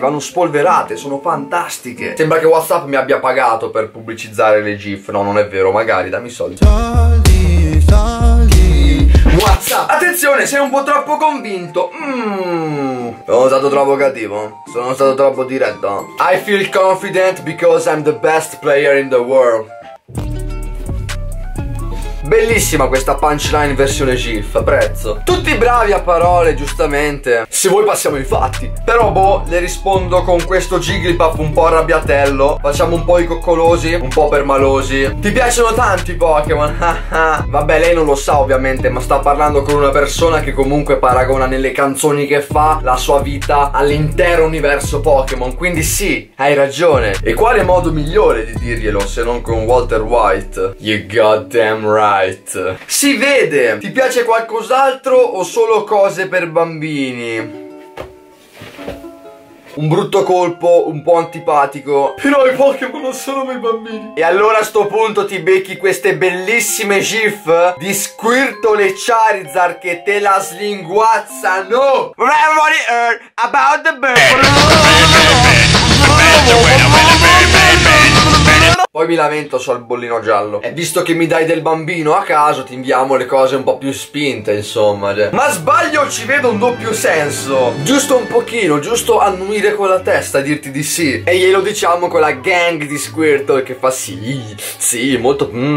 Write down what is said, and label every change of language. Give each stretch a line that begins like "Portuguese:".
Italian: Vanno spolverate, sono fantastiche. Sembra che WhatsApp mi abbia pagato per pubblicizzare le GIF. No, non è vero, magari, dammi i soldi. Soldi, soldi. WhatsApp. Attenzione, sei un po' troppo convinto. Sono stato troppo cattivo. Sono stato troppo diretto.
English: I feel confident because I'm the best player in the world.
Italian: Bellissima questa punchline versione GIF, apprezzo. Tutti bravi a parole, giustamente. Se vuoi passiamo ai fatti. Però boh, le rispondo con questo Jigglypuff un po' arrabbiatello. Facciamo un po' i coccolosi, un po' permalosi. Ti piacciono tanto i Pokémon? Vabbè, lei non lo sa ovviamente, ma sta parlando con una persona che comunque paragona nelle canzoni che fa la sua vita all'intero universo Pokémon. Quindi sì, hai ragione. E quale modo migliore di dirglielo se non con Walter White?
English: You goddamn right. Right.
Italian: Si vede! Ti piace qualcos'altro o solo cose per bambini? Un brutto colpo, un po' antipatico. Però i Pokémon non sono per i bambini. E allora a sto punto ti becchi queste bellissime GIF di Squirtle e Charizard che te la slinguazzano.
English: Everybody heard about the bird.
Italian: Poi mi lamento sul bollino giallo. E visto che mi dai del bambino a caso, ti inviamo le cose un po' più spinte, insomma. Ma sbaglio, ci vedo un doppio senso. Giusto un pochino, giusto annuire con la testa e dirti di sì. E glielo diciamo con la gang di Squirtle che fa sì, sì, molto.